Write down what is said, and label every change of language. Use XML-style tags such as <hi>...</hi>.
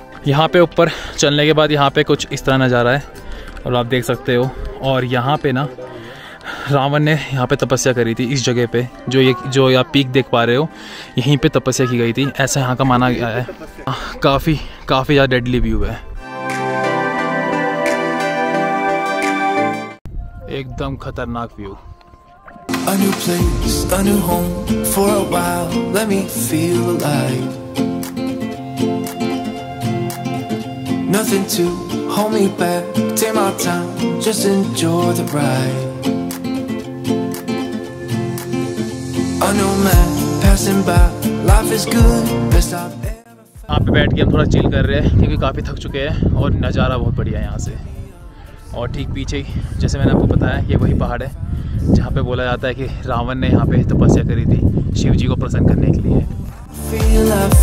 <hi>यहाँ पे ऊपर चलने के बाद यहाँ पे कुछ इस तरह नज़ारा है और आप देख सकते हो, और यहाँ पे ना रावण ने यहाँ पे तपस्या करी थी इस जगह पे, जो ये पीक देख पा रहे हो यहीं पे तपस्या की गई थी ऐसा यहाँ का माना गया है। काफ़ी ज़्यादा डेडली व्यू है, एकदम खतरनाक view.</hi> <en>A new place, a new home, for a while, let me feel alive. Nothing to hold me back, take my time, just enjoy the ride. A new man, passing by, life is good, best I've ever felt.</en> <hi>आप बैठ के हम थोड़ा chill कर रहे हैं क्योंकि काफी थक चुके हैं और नज़ारा बहुत बढ़िया है यहाँ से। और ठीक पीछे जैसे मैंने आपको बताया ये वही पहाड़ है जहाँ पे बोला जाता है कि रावण ने यहाँ पे तपस्या करी थी शिव जी को प्रसन्न करने के लिए।</hi>